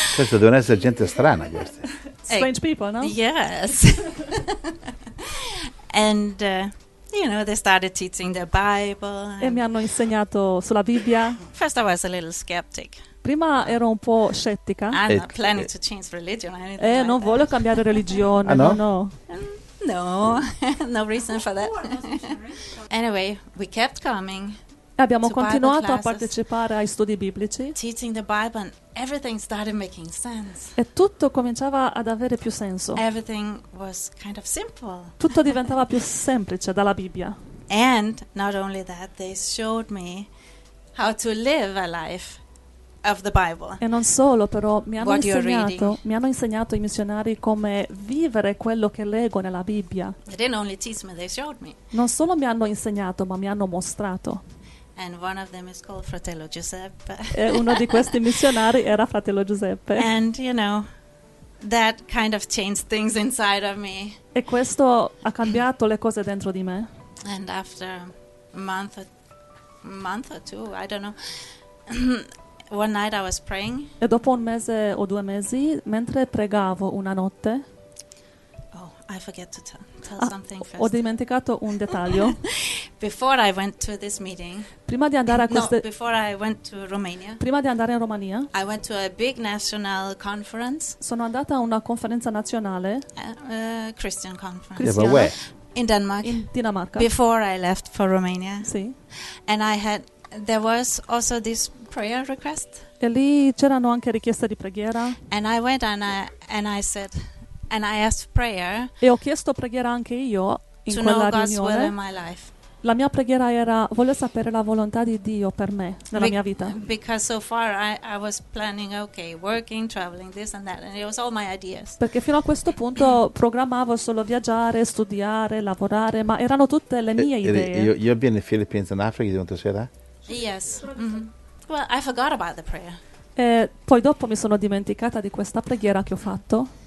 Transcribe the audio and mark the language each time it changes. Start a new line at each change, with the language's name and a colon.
Italian: Questo devono essere gente strana, questi.
English: Strange people, no? Yes. And you know, they started teaching their Bible.
Italian: E mi hanno insegnato sulla Bibbia.
English: First, I was a little skeptic.
Italian: Prima ero un po' scettica.
English: I'm not planning to change religion.
Italian: Non voglio cambiare religione. Ah, no?
English: No. No reason for that. Anyway, we kept coming.
Italian: Abbiamo continuato a partecipare ai studi biblici.
English: Teaching the Bible, and everything started making sense.
Italian: E tutto cominciava ad avere più senso.
English: Everything was kind of simple.
Italian: Tutto diventava più semplice dalla Bibbia.
English: And not only that, they showed me how to live a life of the Bible.
Italian: E non solo, però mi hanno insegnato i missionari come vivere quello che leggo nella Bibbia.
English: They didn't only teach me, they showed me.
Italian: Non solo mi hanno insegnato, ma mi hanno mostrato.
English: And one of them is called Fratello Giuseppe.
Italian: E uno di questi missionari era Fratello Giuseppe.
English: And you know, that kind of changed things inside of me.
Italian: E questo ha cambiato le cose dentro di me.
English: And after a month or two, I don't know. One night I was praying.
Italian: E dopo un mese o due mesi, mentre pregavo una notte.
English: Oh, I forget to tell something first.
Italian: Ho dimenticato un dettaglio.
English: Before I went to this meeting.
Italian: Prima di andare a queste.
English: No, before I went to Romania.
Italian: Prima di andare in Romania.
English: I went to a big national conference.
Italian: Sono andata a una conferenza nazionale.
English: Christian conference. Yeah, but where? In Denmark.
Italian: In Dinamarca.
English: Before I left for Romania.
Italian: Sì.
English: And I had. There was also this prayer request.
Italian: E lì c'erano anche richieste di preghiera.
English: And I went and I said and I asked prayer.
Italian: E ho chiesto preghiera anche io in
English: to
Italian: quella
English: know God's
Italian: riunione.
English: Will in my life.
Italian: La mia preghiera era, voglio sapere la volontà di Dio per me nella mia vita.
English: Because so far I was planning, okay, working, traveling, this and that, and it was all my ideas.
Italian: Perché fino a questo punto programmavo solo viaggiare, studiare, lavorare, ma erano tutte le mie idee.
English: You have been in the Philippines and Africa, you want to say that? Yes. Mm-hmm. Well, I forgot about the prayer.
Italian: E poi dopo mi sono dimenticata di questa preghiera che ho fatto.